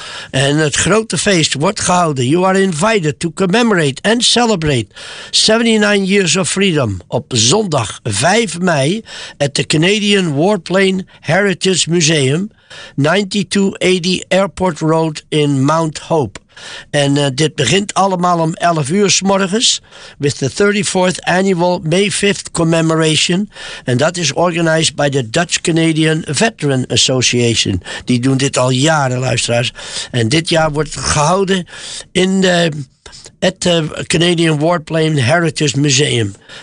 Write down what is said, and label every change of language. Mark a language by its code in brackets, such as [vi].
[nl] En het grote feest wordt gehouden. [en] You are invited to commemorate and celebrate 79 years of freedom [nl] op zondag 5 mei [en] at the Canadian Warplane Heritage Museum, 9280 Airport Road in Mount Hope. [nl] En dit begint allemaal om 11 uur 's morgens [en] with the 34th annual May 5th commemoration. [nl] En dat is [en] organized by the Dutch Canadian Veteran Association. [nl] Die doen dit al jaren, luisteraars. En dit jaar wordt het gehouden in de at the Canadian Warplane Heritage Museum.